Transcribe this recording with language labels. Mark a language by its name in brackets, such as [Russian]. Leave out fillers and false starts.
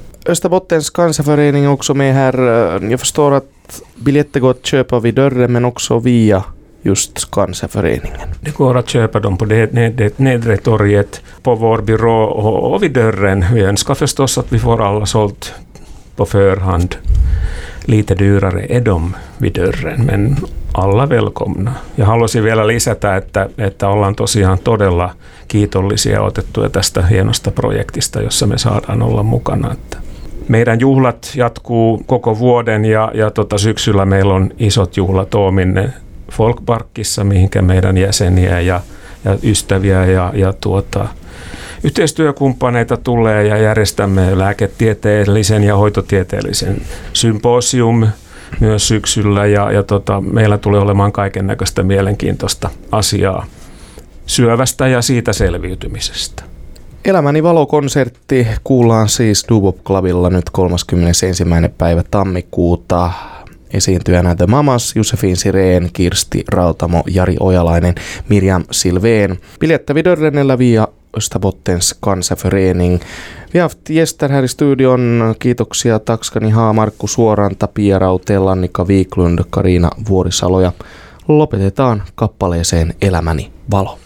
[Swedish] Österbottens cancerförening är också med här. Jag förstår att biljetter går att köpa vid dörren, men också via just cancerföreningen. Det går att köpa dem på det nedre torget, på vår byrå och vid dörren. Vi önskar förstås att vi får alla sålt på förhand. Lite dyrare är de vid dörren, men alla välkomna. [Finnish] Jag haluaisin vielä lisätä, että ollaan tosiaan todella kiitollisia otettuja tästä hienosta projektista, jossa me saadaan olla mukana. Että meidän juhlat jatkuu koko vuoden ja syksyllä meillä on isot juhlat Oominne Folkparkissa, mihinkä meidän jäseniä ja ystäviä ja yhteistyökumppaneita tulee, ja järjestämme lääketieteellisen ja hoitotieteellisen symposium myös syksyllä ja meillä tulee olemaan kaiken näköistä mielenkiintoista asiaa syövästä ja siitä selviytymisestä. Elämäni valokonsertti kuullaan siis Dubop Clubilla nyt 31. päivä tammikuuta. Esiintyjänä The Mamas, Josefin Sireen, Kirsti Rautamo, Jari Ojalainen, Mirjam Silveen. [Swedish] Biljettävi dörrenellä via Österbottens cancerförening. Vi har haft gäster här i studion. [Finnish] Kiitoksia Takskani Haa, Markku Suoranta, Pia Rautella, Annika Viiklund, Karina Vuorisalo. Lopetetaan kappaleeseen Elämäni valo.